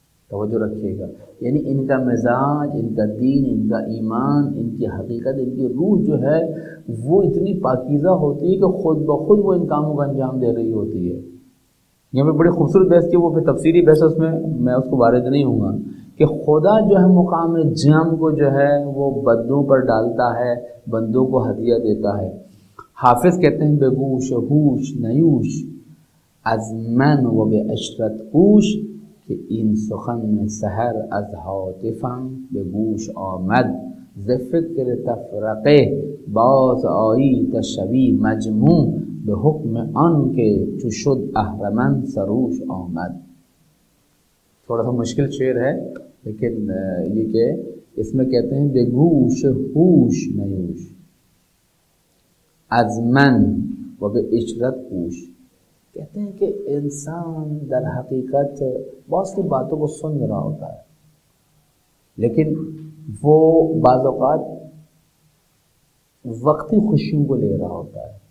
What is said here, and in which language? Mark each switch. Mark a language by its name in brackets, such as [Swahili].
[Urdu] توجہ رکھیے گا، یعنی ان کا مزاج، ان کا دین، ان کا ایمان، ان کی حقیقت، ان کی روح جو ہے وہ اتنی پاکیزہ ہوتی ہے کہ خود بخود وہ ان کاموں کا انجام دے رہی ہوتی ہے. یہاں پہ بڑی خوبصورت بحث کی، وہ پھر تفسیری بحث، اس میں میں اس کو وارد نہیں ہوں گا، کہ خدا جو ہے مقام جم کو جو ہے وہ بندوں پر ڈالتا ہے، بندوں کو ہدیہ دیتا ہے. حافظ کہتے ہیں [Persian] بے گوش ہوش نیوش از من و بے عشرت کوش، کہ این سخن سحر از حاطفم به گوش آمد ز فکر تفرقه باز آیی تشوی مجموع به حکم آن که چو شد اهرمن سروش آمد. [Urdu] تھوڑا سا مشکل شعر ہے لیکن یہ کہ اس میں کہتے ہیں [Persian] بے گوش ہوش نیوش از من و بے عشرت کوش. [Urdu] کہتے ہیں کہ انسان در حقیقت بہت سی باتوں کو سن رہا ہوتا ہے لیکن وہ بعض اوقات وقتی خوشیوں کو لے رہا ہوتا ہے.